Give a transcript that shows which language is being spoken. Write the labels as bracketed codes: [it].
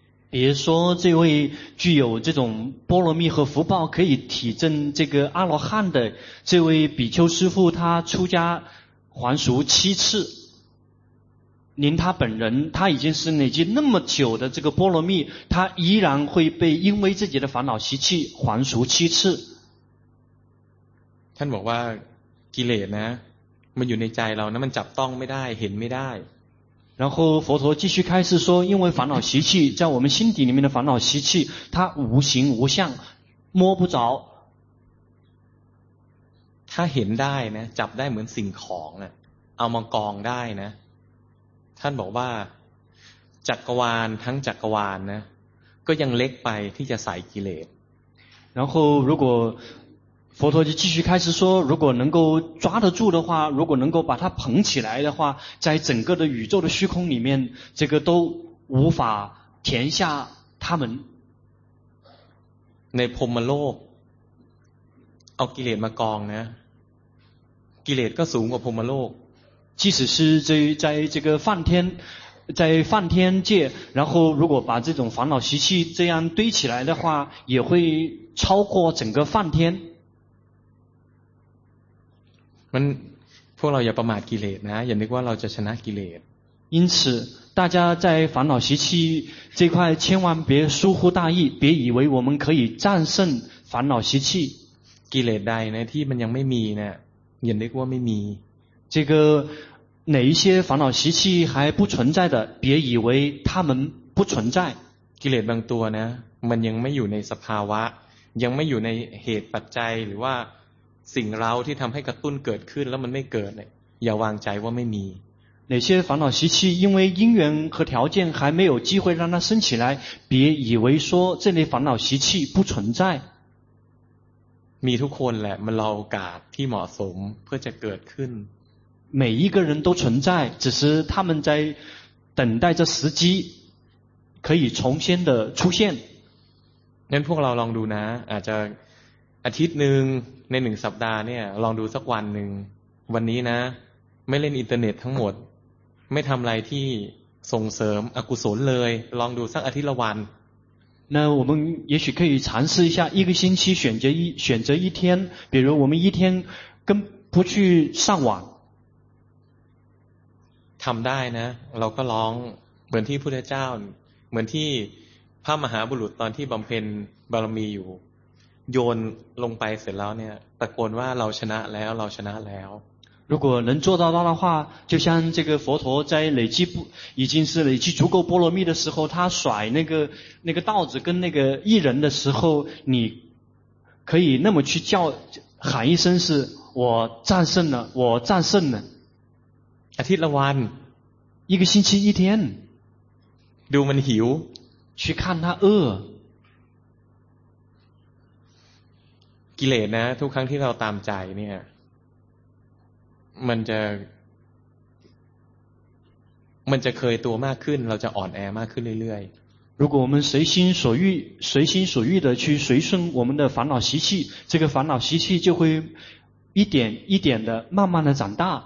[zh] 比如说这位具有这种波罗蜜和福报可以体证这个阿罗汉的这位比丘师父他出家还俗7次您他本人他已经是累积那么久的这个波罗蜜他依然会被因为自己的烦恼习气还俗7次 [th] ท่านบอกว่ากิเลสนะมันอยู่ในใจเรานะมันจับต้องไม่ได้เห็นไม่ได้ [zh] 然后佛陀继续开示说因为烦恼习气在我们心底里面的烦恼习气它无形无相摸不着 [th] ถ้าเห็นได้นะจับได้เหมือนสิ่งของนะเอามากองได้นะท่านบอกว่าจักรวาลทั้งจักรวาลนะก็ยังเล็กไปที่จะใส่กิเลส [zh] 然后如果佛陀就继续开始说如果能够抓得住的话如果能够把它捧起来的话在整个的宇宙的虚空里面这个都无法填下它们 [th] ในพรหมโลกเอากิเลสมากองนะกิเลสก็สูงกว่าพรหมโลก [zh] 即使是在这个梵天，在梵天界，然后如果把这种烦恼习气这样堆起来的话，也会超过整个梵天。 [th] 们，พวกเราอย่าประมาทกิเลสนะ，อย่านึกว่าเราจะชนะกิเลส。 [zh] 因此，大家在烦恼习气这块千万别疏忽大意，别以为我们可以战胜烦恼习气。 [th] กิเลสใดนะที่มันยังไม่มีนะ，อย่านึกว่าไม่มี。 [zh] 这个哪一些烦恼习气还不存在的别以为他们不存在 [th] กิเลสบางตัวนะมันยังไม่อยู่ในสภาวะยังไม่อยู่ในเหตุปัจจัยหรือว่าสิ่งเราที่ทำให้กระตุ้นเกิดขึ้นแล้วมันไม่เกิดอย่าวางใจว่าไม่มี [zh] 哪些烦恼习气因为因缘和条件还没有机会让它升起来别以为说这类烦恼习气不存在 [th] มีทุกคนแหละมันรอโอกาสที่เหมาะสมเพื่อจะเกิดขึ้น [zh] 每一个人都存在只是他们在等待着时机可以重新的出现 [th] งั้นพวกเราลองดูนะอาจจะอาทิตย์หนึ่งในหนึ่งสัปดาห์เนี่ยลองดูสักวันหนึ่งวันนี้นะไม่เล่นอินเทอร์เน็ตทั้งหมดไม่ทำอะไรที่ส่งเสริมอกุศลเลยลองดูสักอาทิตย์ละวัน [zh] 那我们也许可以尝试一下一个星期选择一天比如我们一天跟不去上网 [th] ทำได้นะเราก็ร้องเหมือนที่พุทธเจ้าเหมือนที่พระมหาบุรุษตอนที่บำเพ็ญบารมีอยู่โยนลงไปเสร็จแล้วเนี่ยตะโกนว่าเราชนะแล้วเราชนะแล้ว [zh] 如果能做到的话就像这个佛陀在累积已经是累积足够波罗蜜的时候他甩那个稻子跟那个艺人的时候你可以那么去叫喊一声是我战胜了我战胜了 [th] อาทิตย์ละวัน [zh] 一个星期一天 [th] ดูมันหิว [zh] 去看他饿 [th] กิเลสนะทุกครั้งที่เราตามใจเนี่ยมันจะเคยตัวมากขึ้นเราจะอ่อนแอมากขึ้นเรื่อย [zh] ๆ如果我们随心所欲随心所欲的去随顺我们的烦恼习气这个烦恼习气就会一点一点的慢慢的长大